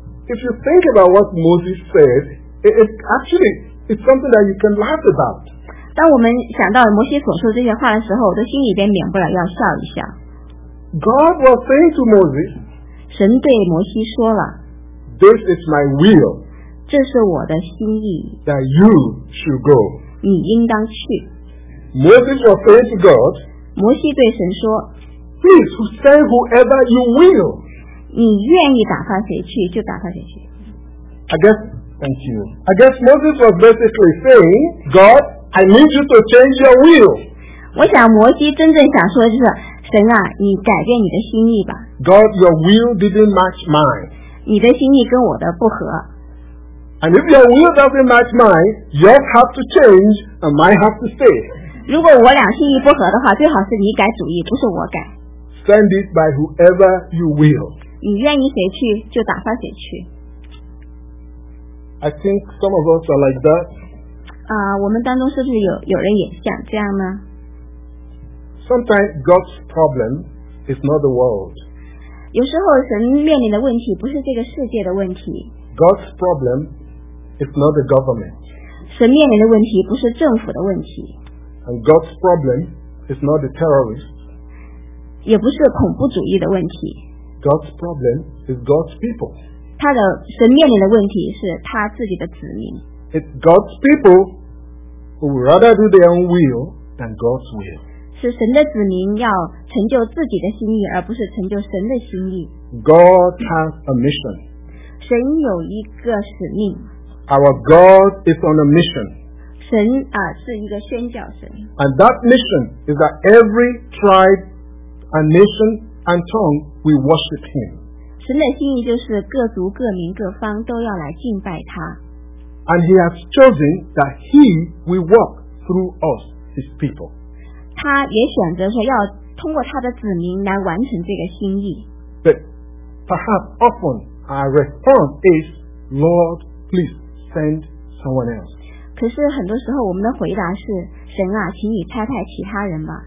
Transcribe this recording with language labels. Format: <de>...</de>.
<en>If you think about what Moses said, it's something that you can laugh about.</en> <zh>当我们想到摩西所说这些话的时候，我的心里边免不了要笑一下。</zh> <en>God was saying to Moses,</en> <zh>神对摩西说了，</zh> <en>This is my will,</en> <zh>这是我的心意，</zh> <en>that you should go.</en> <zh>你应当去。</zh> <en>Moses was saying to God,</en> <zh>摩西对神说，</zh> <en>Please send whoever you will.</en> <zh>你愿意打发谁去就打发谁去。</zh> <en>I guess Moses was basically saying, GodI need you to change your will.</en> <zh>我想摩西真正想说的就是神啊你改变你的心意吧。</zh> <en>God, your will didn't match mine.</en> <zh>你的心意跟我的不合。</zh> <en>And if your will doesn't match mine, yours have to change and mine have to stay.</en> <zh>如果我俩心意不合的话最好是你改主意不是我改。</zh> <en>Send it by whoever you will.</en> <zh>你愿意谁去就打发谁去。</zh> <en>I think some of us are like that.</en> <zh>我们当中是不是 有人也像这样呢？</zh> <en>Sometimes God's problem is not the world.</en> <zh>有时候神面临的问题不是这个世界的问题。</zh> <en>God's problem is not the government.</en> <zh>神面临的问题不是政府的问题。</zh> <en>And God's problem is not the terrorists.</en> <zh>也不是恐怖主义的问题。</zh> <en>God's problem is God's people.</en> <zh>他的神面临的问题是他自己的子民。</zh> <en>It's God's people who would rather do their own will than God's will.</en> <zh>是神的子民要成就自己的心意，而不是成就神的心意。</zh> <en>God has a mission.</en> <zh>神有一个使命。</zh> <en>our God is on a mission.</en> <zh>神啊，是一个宣教神。</zh> <en>And that mission is that every tribe, and nation, and tongue we worship Him.</en> <zh>神的心意就是各族、各民、各方都要来敬拜他。</zh> <en>And He has chosen that He will walk through us, His people.</en> <zh>他也选择说要通过他的子民来完成这个心意。</zh> <en>But perhaps often our response is, Lord, please send someone else.</en> <zh>可是很多时候我们的回答是神啊请你差派其他人吧</zh>